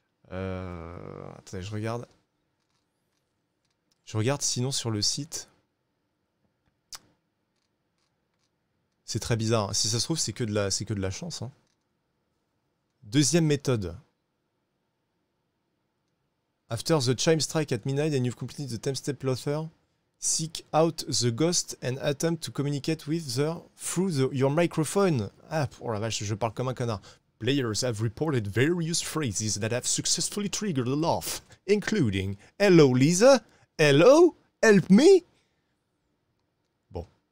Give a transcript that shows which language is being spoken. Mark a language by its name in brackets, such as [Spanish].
[French] Attendez, je regarde. Je regarde sinon sur le site. C'est très bizarre. Si ça se trouve, c'est que de la chance, hein. Deuxième méthode. [English] After the chime strike at midnight and you've completed the time step plotter, seek out the ghost and attempt to communicate with the through the, your microphone. [French] Ah, oh la vache, je parle comme un connard. [English] Players have reported various phrases that have successfully triggered a laugh, including Hello Lisa, Hello, help me. Bon.